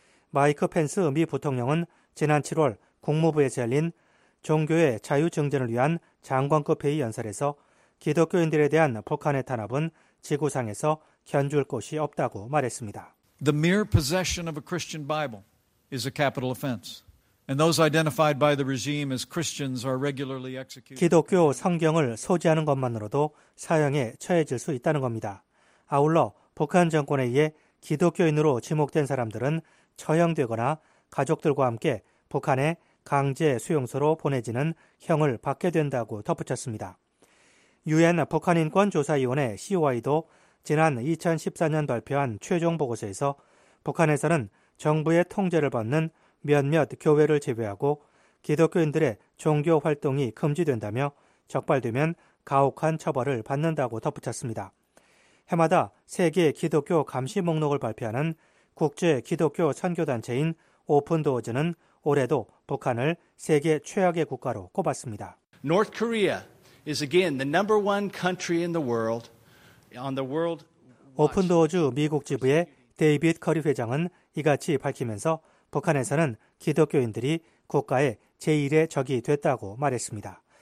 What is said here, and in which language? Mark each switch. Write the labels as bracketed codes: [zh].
[ko] 마이크 펜스 미 부통령은 지난 7월 국무부에서 열린 종교의 자유 증진을 위한 장관급 회의 연설에서 기독교인들에 대한 북한의 탄압은 지구상에서 견줄 곳이 없다고 말했습니다. [en] The mere possession of a Christian Bible is a capital offense. And those identified by the regime as Christians are regularly executed. [ko] 기독교 성경을 소지하는 것만으로도 사형에 처해질 수 있다는 겁니다. 아울러 북한 정권에 의해 기독교인으로 지목된 사람들은 처형되거나 가족들과 함께 북한의 강제 수용소로 보내지는 형을 받게 된다고 덧붙였습니다. UN 북한인권조사위원회 COI도 지난 2014년 발표한 최종 보고서에서 북한에서는 정부의 통제를 받는 몇몇 교회를 제외하고 기독교인들의 종교 활동이 금지된다며 적발되면 가혹한 처벌을 받는다고 덧붙였습니다. 해마다 세계 기독교 감시 목록을 발표하는 국제 기독교 선교단체인 오픈도어즈는 올해도 북한을 세계 최악의 국가로 꼽았습니다. [en] North Korea is again the number one country in the world on the world. [ko] 오픈도어즈 미국 지부의 데이비드 커리 회장은 이같이 밝히면서 북한에서는 기독교인들이 국가의 제1의 적이 됐다고 말했습니다.